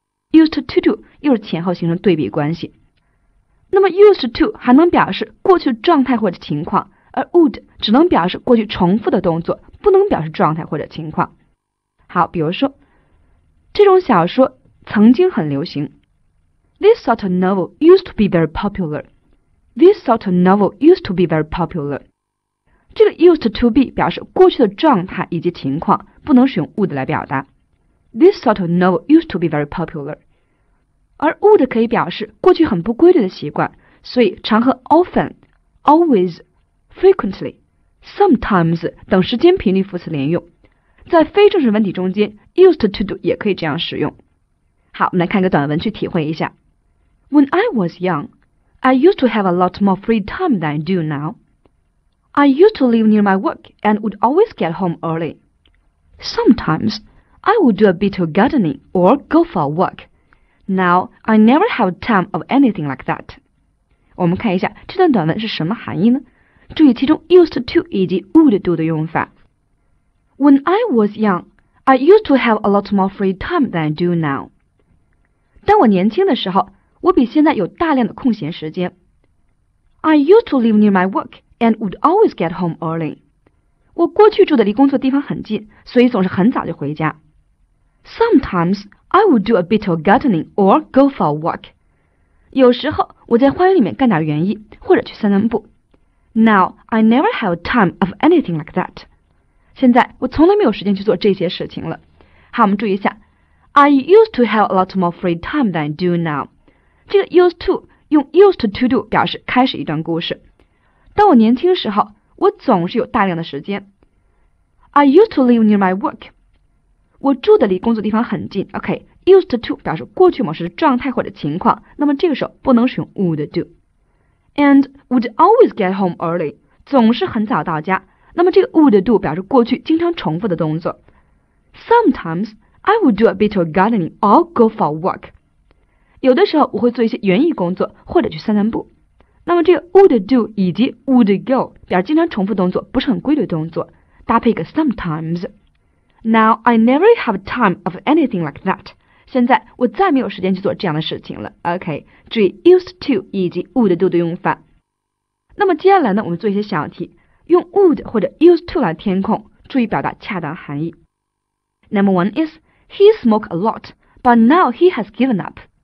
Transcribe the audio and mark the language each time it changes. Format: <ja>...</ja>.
<zh>Used to do 又是前后形成对比关系。那么 used to 还能表示过去状态或者情况，而 would 只能表示过去重复的动作，不能表示状态或者情况。好，比如说，这种小说曾经很流行。</zh> <en>This sort of novel used to be very popular. This sort of novel used to be very popular.</en> <zh>这个 used to be 表示过去的状态以及情况，不能使用 would 来表达。</zh> <en>This sort of novel used to be very popular.</en> <zh>而 would 可以表示过去很不规律的习惯，所以常和 often、always、frequently、sometimes 等时间频率副词连用。在非正式文体中间 ，used to do 也可以这样使用。好，我们来看一个短文去体会一下。</zh> <en>When I was young, I used to have a lot more free time than I do now. I used to live near my work and would always get home early. Sometimes I would do a bit of gardening or go for a walk. Now, I never have time of anything like that.</en> <zh>我们看一下这段短文是什么含义呢？注意其中 used to 以及 would do 的用法。</zh> <en>When I was young, I used to have a lot more free time than I do now.</en> <zh>当我年轻的时候，我比现在有大量的空闲时间。</zh> <en>I used to live near my work and would always get home early.</en> <zh>我过去住的离工作地方很近，所以总是很早就回家。</zh> <en>Sometimes,I would do a bit of gardening or go for a walk.</en> <zh>有时候我在花园里面干点园艺，或者去散散步。</zh> <en>Now, I never have time of anything like that.</en> <zh>现在我从来没有时间去做这些事情了。好，我们注意一下。</zh> <en>I used to have a lot more free time than I do now.</en> <zh>这个 used to 用 used to do 表示开始一段故事。当我年轻时候，我总是有大量的时间。</zh> <en>I used to live near my work.</en> <zh>我住的离工作地方很近。 OK, used to 表示过去某时的状态或者情况，那么这个时候不能使用 would do.</zh> <en>And would always get home early,</en> <zh>总是很早到家，那么这个 would do 表示过去经常重复的动作。</zh> <en>Sometimes I would do a bit of gardening or go for a walk.</en> <zh>有的时候我会做一些园艺工作或者去散散步，那么这个 would do 以及 would go 表示经常重复动作，不是很规律动作，搭配一个 sometimes。</zh> <en>Now, I never have time of anything like that.</en> <zh>现在我再没有时间去做这样的事情了。 OK, 注意 used to 以及 would do 的用法。那么接下来呢，我们做一些小题，用 would 或者 used to 来填空，注意表达恰当含义。</zh> <en>Number one is, he smoked a lot, but now he has given up.</en>